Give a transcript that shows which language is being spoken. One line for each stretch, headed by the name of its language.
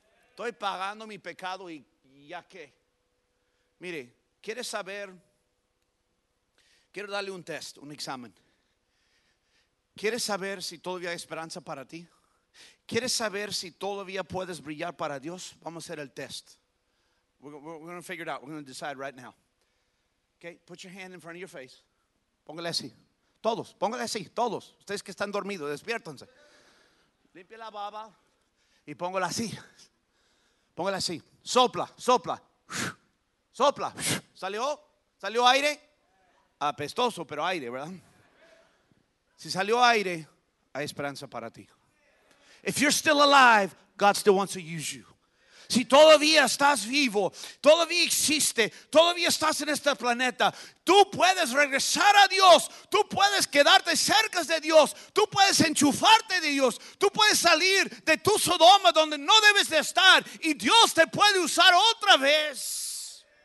Spanish: Estoy pagando mi pecado y ya qué. Mire, ¿quiere saber? Quiero darle un test, un examen. ¿Quieres saber si todavía hay esperanza para ti? ¿Quieres saber si todavía puedes brillar para Dios? Vamos a hacer el test.
English: We're going to figure it out. We're going to decide right now. Okay, put your hand in front of your face.
Spanish: Póngale así. Todos, póngale así, todos. Ustedes que están dormidos, despiértanse. Limpie la baba y póngale así. Póngale así. Sopla, sopla. Sopla. ¿Salió? ¿Salió aire? Apestoso, pero aire, ¿verdad? Si salió aire, hay esperanza para ti.
English: If you're still alive, God still wants to use you.
Spanish: Si todavía estás vivo, todavía existe, todavía estás en este planeta, tú puedes regresar a Dios, tú puedes quedarte cerca de Dios, tú puedes enchufarte de Dios, tú puedes salir de tu Sodoma donde no debes de estar y Dios te puede usar otra vez.